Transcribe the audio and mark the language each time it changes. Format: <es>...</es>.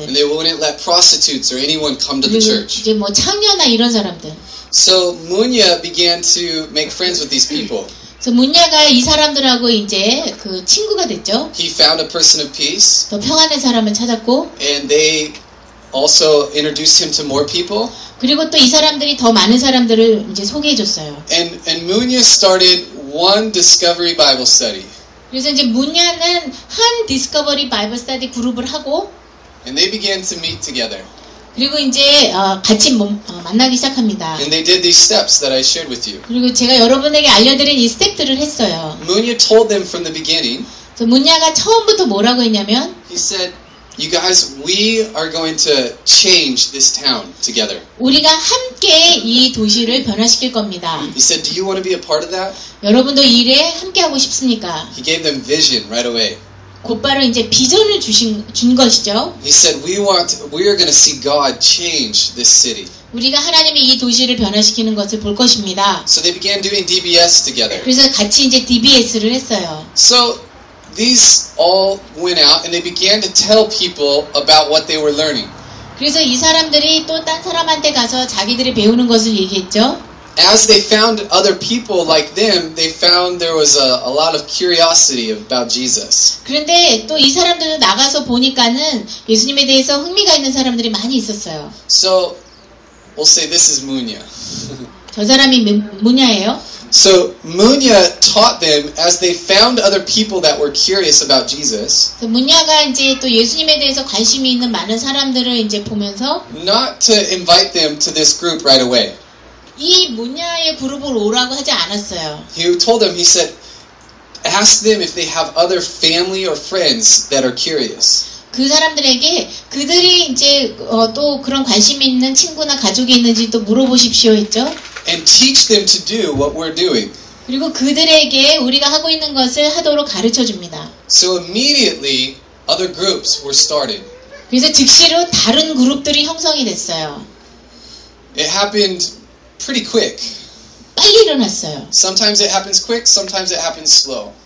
<en>And they wouldn't let prostitutes or anyone come to the church.</en> <ko>이제 뭐 창녀나 이런 사람들.</ko> <en>So Munya began to make friends with these people.</en> <ko>그래서 문야가 이 사람들하고 이제 그 친구가 됐죠.</ko> <en>He found a person of peace.</en> <ko>또 평안의 사람을 찾았고.</ko> <en>And they also introduced him to more people.</en> <ko>그리고 또 이 사람들이 더 많은 사람들을 이제 소개해 줬어요.</ko> <en>And Munya started one discovery Bible study.</en> <ko>그래서 이제 문야는 한</ko> <en>discovery Bible study</en> <ko>그룹을 하고</ko> <en>And they began to meet together.</en> <ko>그리고 이제 같이 만나기 시작합니다.</ko> <en>And they did these steps that I shared with you.</en> <ko>그리고 제가 여러분에게 알려드린 이 스텝들을 했어요.</ko> <en>Munya told them from the beginning.</en> <ko>그래서 문야가 처음부터 뭐라고 했냐면</ko> <en>He said You guys, we are going to change this town together.</en> <ko>우리가 함께 이 도시를 변화시킬 겁니다.</ko> <en>He said, "Do you want to be a part of that?"</en> <ko>여러분도 이 일에 함께 하고 싶습니까?</ko> <en>He gave them vision right away.</en> <ko>곧바로 이제 비전을 준 것이죠.</ko> <en>He said, "We are going to see God change this city."</en> <ko>우리가 하나님이 이 도시를 변화시키는 것을 볼 것입니다.</ko> <en>So they began doing DBS together.</en> <ko>그래서 같이 이제 DBS를 했어요.</ko> <en>So These all went out and they began to tell people about what they were learning.</en> <ko>그래서 이 사람들이 또 딴 사람한테 가서 자기들이 배우는 것을 얘기했죠.</ko> <en>As they found other people like them, they found there was a lot of curiosity about Jesus.</en> <ko>그런데 또 이 사람들도 나가서 보니까는 예수님에 대해서 흥미가 있는 사람들이 많이 있었어요.</ko> <en>So we'll say this is Munya.</en> <ko>저 사람이 무냐예요?</ko> <en>So Munya taught them as they found other people that were curious about Jesus.</en> <ko>무냐가 이제 또 예수님에 대해서 관심이 있는 많은 사람들을 이제 보면서</ko> <en>not to invite them to this group right away.</en> <ko>이 무냐의 그룹을 오라고 하지 않았어요.</ko> <en>He told them, he said, ask them if they have other family or friends that are curious.</en> <ko>그 사람들에게 그들이 이제 또 그런 관심이 있는 친구나 가족이 있는지 또 물어보십시오 했죠.</ko> <en>And teach them to do what we're doing.</en> <ko>그리고 그들에게 우리가 하고 있는 것을 하도록 가르쳐 줍니다.</ko> <en>So immediately other groups were started.</en> <ko>그래서 즉시로 다른 그룹들이 형성이 됐어요.</ko> <en>It happened pretty quick.</en> <ko>빨리 일어났어요.</ko> <en>Sometimes it happens quick, sometimes it happens slow.</en>